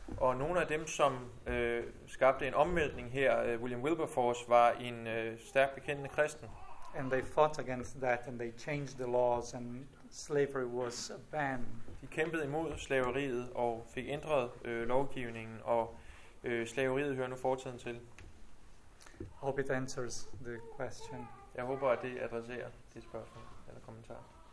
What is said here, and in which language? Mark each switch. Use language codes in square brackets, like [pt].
[da] Og nogle af dem, som skabte en omvæltning her, William Wilberforce, var en stærkt bekendende kristen. [en] And they fought against that and they changed the laws and slavery was banned. [da] De kæmpede imod slaveriet og fik ændret lovgivningen og slaveriet hører nu fortiden til. [en] Hope it answers the question. [da] Jeg håber, at det adresserer dit spørgsmål eller kommentar.